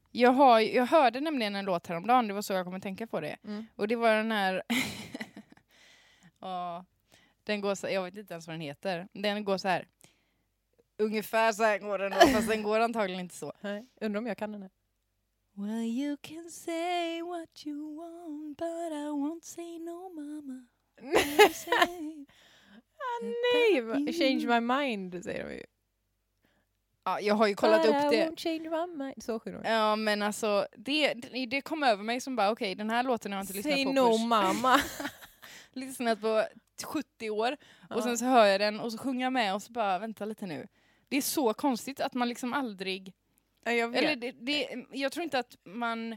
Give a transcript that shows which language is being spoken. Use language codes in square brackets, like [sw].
[sv] Jag hörde nämligen en låt häromdagen, det var så jag kom att tänka på det. Mm. Och det var den här ja, den går så, jag vet inte ens vad den heter. Den går så här. Ungefär så här går den då, fast den går antagligen inte så. Nej, undrar om jag kan den här. [en] Well, you can say what you want, but I won't say no, mama. [sv] Nej, [en] change my mind, [sv] säger de ju. Ja, jag har ju kollat [en] but [sv] upp det. [en] I won't change my mind, [sv] så sjunger de. Ja, men alltså, det kom över mig som bara, okej, den här låten har jag inte lyssnat på. [en] Say no, mama. [sv] Lyssnat på 70 år, och sen så hör jag den, och så sjunger jag med, och så bara, vänta lite nu. Det är så konstigt att man liksom aldrig... Ja, jag vet. Eller jag tror inte att man...